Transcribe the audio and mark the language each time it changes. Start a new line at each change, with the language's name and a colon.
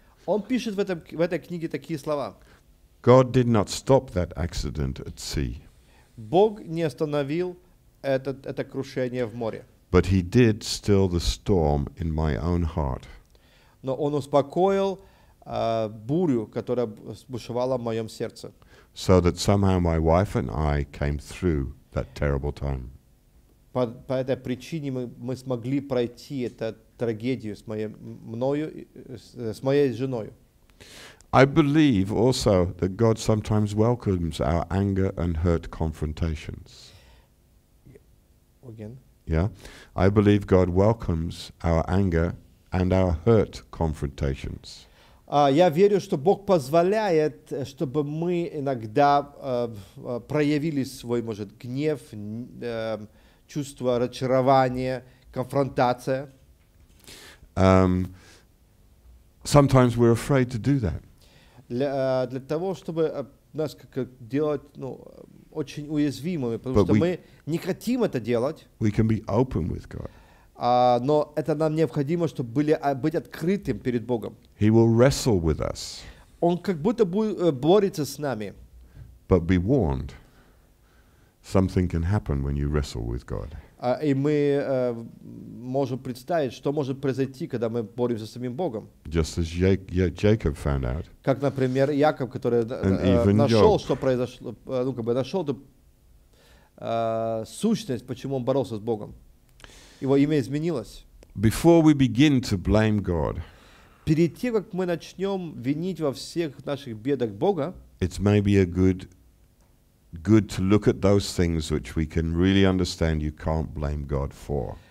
Russian: Он пишет в этой книге такие слова.
English: God did not stop that accident at sea.
Russian: Бог не остановил это крушение в море.
English: But he did still the storm in my own heart.
Russian: Но он успокоил бурю, которая бушевала в моем сердце.
English: So that somehow my wife and I came through that terrible time.
Russian: По этой причине мы смогли пройти это трагедию с моей женой.
English: I believe also that God sometimes welcomes our anger and hurt confrontations. Again? Yeah. I believe God welcomes our anger and our hurt confrontations.
Russian: Я верю, что Бог позволяет, чтобы мы иногда проявили свой, может, гнев, чувство разочарования, конфронтация.
English: Sometimes we're afraid to do that.
Russian: Для того, чтобы нас делать очень уязвимыми, потому что мы не хотим это делать.
English: We can be open with God.
Russian: Но это нам необходимо, чтобы быть открытым перед Богом.
English: He will wrestle with us.
Russian: Он как будто борется с нами.
English: But be warned. Something can happen when you wrestle with God.
Russian: И мы можем представить, что может произойти, когда мы боремся с самим Богом.
English: Just as Jacob found out.
Russian: Как, например, Яков, который нашел, что произошло, нашел эту сущность, почему он боролся с Богом. Его имя изменилось.
English: Before we begin to blame God,
Russian: перед тем, как мы начнем винить во всех наших бедах Бога,
English: it's maybe a good to look at those things which we can really understand you can't blame God for.